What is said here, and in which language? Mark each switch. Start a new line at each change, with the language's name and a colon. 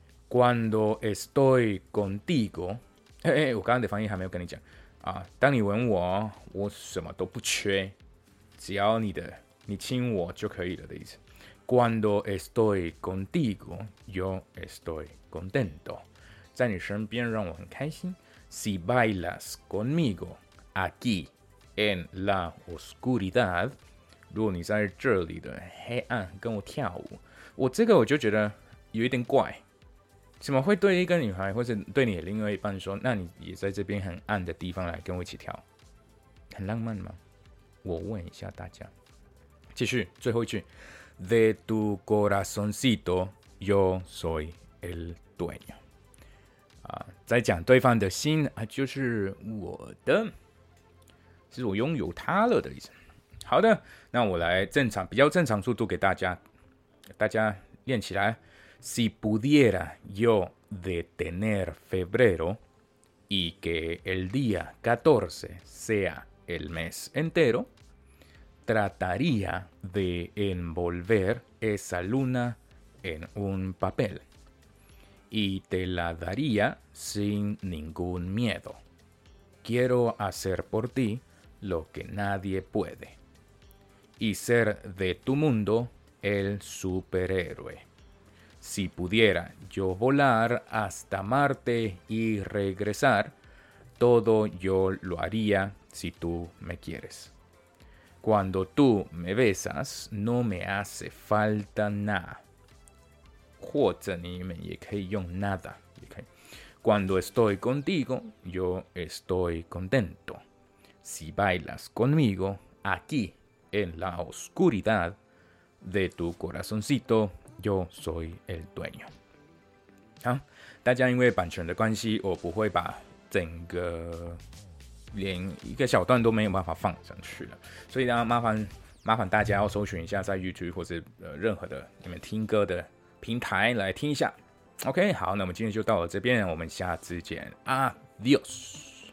Spanish: Cuando estoy contigo，
Chinese: 我刚刚的翻译还没有跟你讲啊。当你吻我，我什么都不缺，只要你亲我就可以了的意思。
Spanish: Cuando estoy contigo， yo estoy contento，
Chinese: 在你身边让我很开心。
Spanish: Si bailas conmigo aquí en la oscuridad，
Chinese: 如果你在这里的黑暗跟我跳舞，我这个我就觉得有一点怪。怎么会对一个女孩或者对你另外一半说，那你也在这边很暗的地方来跟我一起跳，很浪漫吗？我问一下大家。继续，最后一句
Spanish: ，De tu corazoncito yo soy el dueño。
Chinese: 在讲对方的心啊，就是我的，是我拥有他了的意思。好的，那我来正常，比较正常速度给大家练起来。
Spanish: Si pudiera yo detener febrero y que el día 14 sea el mes entero, trataría de envolver esa luna en un papel y te la daría sin ningún miedo. Quiero hacer por ti lo que nadie puede y ser de tu mundo el superhéroe. Si pudiera yo volar hasta Marte y regresar, todo yo lo haría si tú me quieres. Cuando tú me besas, no me hace falta nada.
Chinese: 或者你们也可以用 nada, 也可以。
Spanish: Cuando estoy contigo, yo estoy contento. Si bailas conmigo, aquí, en la oscuridad de tu corazoncito, yo soy el dueño.
Chinese: 好，大家因为版权的关系，我不会把整个连一个小段都没有办法放上去了，所以呢，麻烦大家要搜寻一下，在 YouTube 或是任何的你们听歌的平台来听一下。OK， 好，那我们今天就到了这边，我们下次见 ，Adios。